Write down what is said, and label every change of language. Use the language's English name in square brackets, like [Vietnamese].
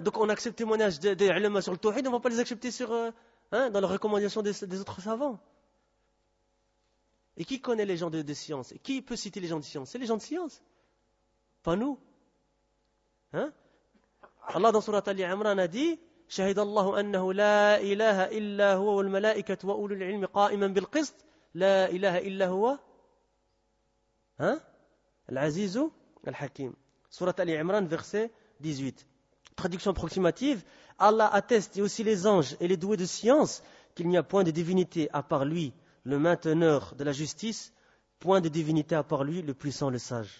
[French] Donc on accepte le témoignage des ulama sur le tawhid, on ne va pas les accepter dans leurs recommandations des autres savants. Et qui connaît les gens de science? Et qui peut citer les gens de science? C'est les gens de science. Pas nous. Hein? Allah dans surat Ali Imran a dit... [Arabic] شهد الله أنه لا إله إلا هو والملائكة وأولو العلم قائما بالقسط لا إله إلا هو ها العزيز الحكيم سورة آل عمران [French] verset 18. Traduction approximative. Allah atteste et aussi les anges et les doués de science qu'il n'y a point de divinité à part lui, le mainteneur de la justice, point de divinité à part lui, le puissant, le sage.